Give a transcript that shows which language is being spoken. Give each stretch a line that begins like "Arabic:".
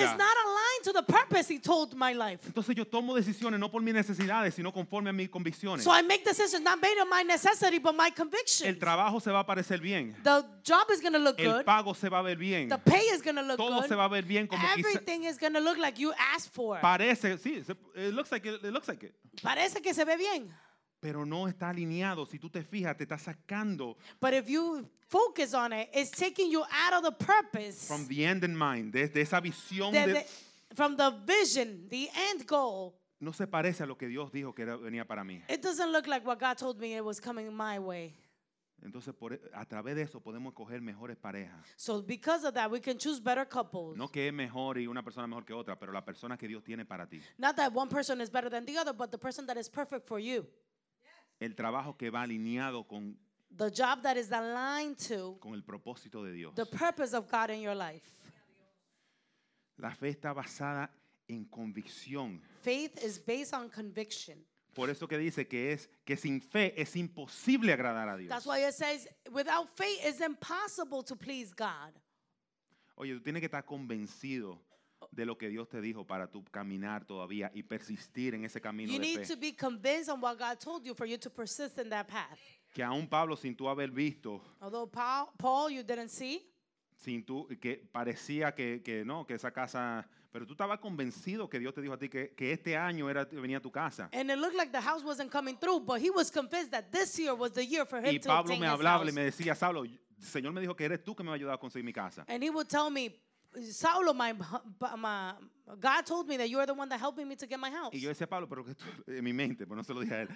English: That job is not aligned to the purpose he told my life.
Spanish: Entonces yo tomo decisiones no por mis necesidades sino conforme a mis convicciones.
English: So I make decisions not based on my necessity but my convictions.
Spanish: El trabajo se va a parecer bien.
English: The job is going to look
Spanish: el
English: good.
Spanish: El pago se va a ver bien.
English: The pay is going to look
Spanish: todo
English: good.
Spanish: Todo se va a ver bien como
English: everything
Spanish: quizá
English: is going to look like you asked for.
Spanish: Parece, sí,
English: it looks like it.
Spanish: Parece que se ve bien. Pero no está alineado. Si tú te fijas, te está sacando.
English: But if you focus on it, it's taking you out of the purpose. From the end in mind,
Spanish: desde esa visión de
English: from the vision, the end goal.
Spanish: No se parece a lo que Dios dijo que venía para mí.
English: It doesn't look like what God told me it was coming my way.
Spanish: Entonces, por, a través de eso podemos escoger mejores parejas.
English: So because of that, we can choose better couples.
Spanish: No que es mejor y una persona mejor que otra, pero la persona que Dios tiene para ti.
English: Not that one person is better than the other, but the person that is perfect for you.
Spanish: El trabajo que va alineado con
English: the job that is aligned to
Spanish: con el propósito de Dios.
English: The purpose of God in your life.
Spanish: La fe está basada en convicción.
English: Faith is based on conviction.
Spanish: Por eso que dice que es que sin fe es imposible agradar a Dios.
English: That's why it says without faith it's impossible to please God.
Spanish: Oye, tú tienes que estar convencido de lo que Dios te dijo para tu caminar todavía y persistir en ese camino de fe.
English: You need to be convinced on what God told you for you to persist in that path.
Spanish: Que aún Pablo sin tú haber visto.
English: Although Paul you didn't see.
Spanish: Sin tú, que parecía que no, que esa casa, pero tú estabas convencido que Dios te dijo a ti que este año era venía a tu casa.
English: And it looked like the house wasn't coming through, but he was convinced that this year was the year for him to obtain his house.
Spanish: Y Pablo me hablaba
English: house.
Spanish: Y me decía, Saulo, el Señor me dijo que eres tú que me va a ayudar a conseguir mi casa.
English: And he would tell me, Saulo, my God told me that you are the one that helped me to get my house.
Spanish: Y yo decía, Pablo, pero que tú, en mi mente, pero no se lo dije a él.